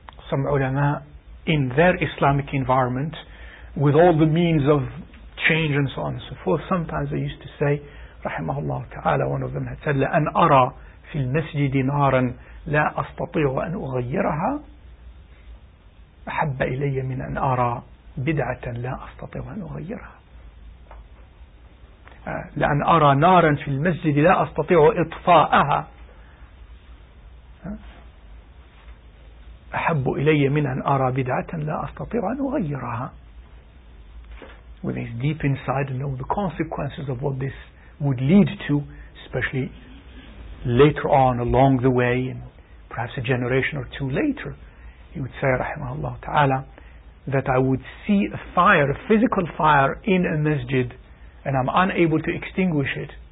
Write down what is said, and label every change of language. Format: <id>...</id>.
<en>Some ulama, in their Islamic environment, with all the means of change and so on and so forth, sometimes they used to say, rahimahullah ta'ala, one of them had said,</en> <ar>لَأَنْ أَرَى فِي الْمَسْجِدِ نَارًا لَا أَسْتَطِيعُ أَنْ أُغَيِّرَهَا أَحَبَّ إِلَيَّ مِنْ أَنْ أَرَى بِدْعَةً لَا أَسْتَطِيعُ أَنْ أُغَيِّرَهَا. لَأَنْ أَرَى نَارًا فِي الْمَسْجِدِ لَا أَسْتَطِيعُ إِطْفَاءَهَا أحب إلي من أن أرى بدعة لا أستطيع أن أغيرها.</ar> <en>With his deep inside, know the consequences of what this would lead to, especially later on along the way, and perhaps a generation or two later, he would say,</en> <ar>رحمه الله تعالى,</ar> <en>that I would see a fire, a physical fire in a masjid, and I'm unable to extinguish it.</en>